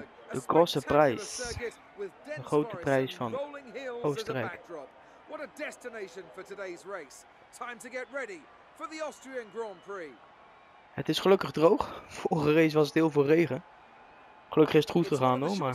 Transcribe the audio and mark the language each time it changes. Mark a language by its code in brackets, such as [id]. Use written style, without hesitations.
[nl] De grote prijs. De grote prijs van Oostenrijk. [en] What a destination for today's race. Time to get ready for the Austrian Grand Prix. [nl] Het is gelukkig droog. Vorige race was het heel veel regen. Gelukkig is het goed gegaan hoor, maar.